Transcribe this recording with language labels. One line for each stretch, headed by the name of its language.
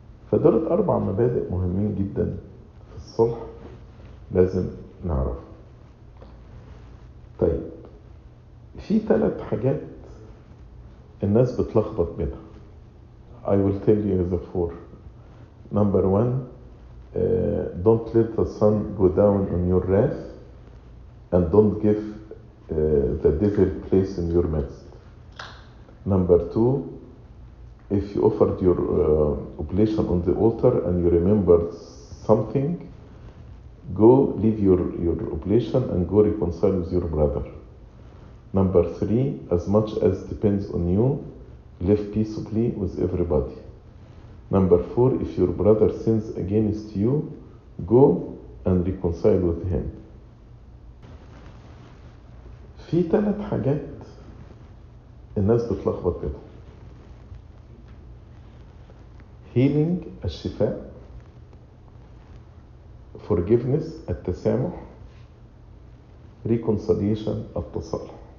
Arabic: فدولت اربع مبادئ مهمين جدا في الصلح لازم نعرف. طيب في ثلاث حاجات الناس بتلخبط بينها.
English: I will tell you the four. Number one, don't let the sun go down on your wrath and don't give the devil place in your midst. Number two, if you offered your oblation on the altar and you remembered something, go leave your oblation and go reconcile with your brother. Number three, as much as depends on you, live peaceably with everybody. Number four, if your brother sins against you, go and reconcile with him.
Arabic: في ثلاث حاجات الناس بتلخبط بيها: healing الشفاء، forgiveness التسامح، reconciliation التصالح.